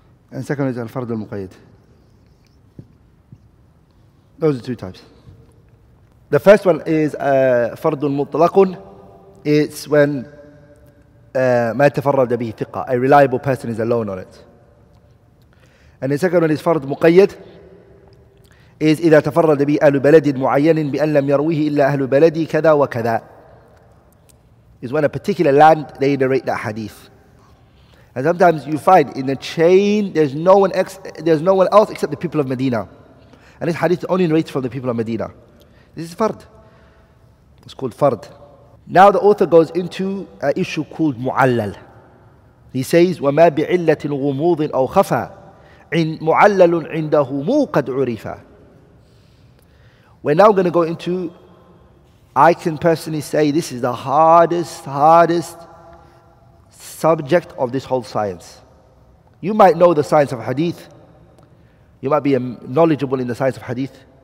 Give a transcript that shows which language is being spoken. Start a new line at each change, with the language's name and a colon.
English: And second is Al-Fard Al-Muqayyad. Those are two types. The first one is Fard Al-Mutlaq. It's when
Arabic: مَا تَفَرَّدَ بِهِ ثِقَّةٌ,
English: a reliable person is alone on it. And the second one is
Arabic: فَرْضُ مُقَيَّدٌ, is إِذَا تَفَرَّدَ بِهِ أَهْلُ بَلَدٍ مُعَيَّنٍ بِأَنْ لَمْ يَرْوِهِ إِلَّا أَهْلُ بَلَدِي كَذَا وَكَذَا,
English: is when a particular land, they narrate that hadith. And sometimes you find in the chain, there's no one else except the people of Medina. And this hadith is only narrated from the people of Medina. This is فَرْض. It's called فَرْض. Now the author goes into an issue called mu'allal. He says,
Arabic: وَمَا بِعِلَّةٍ غُمُوضٍ أَوْ خَفَى مُعَلَّلٌ عِنْدَهُ مُوْقَدْ عُرِفَى.
English: We're now going to go into, I can personally say this is the hardest subject of this whole science. You might know the science of hadith. You might be knowledgeable in the science of hadith.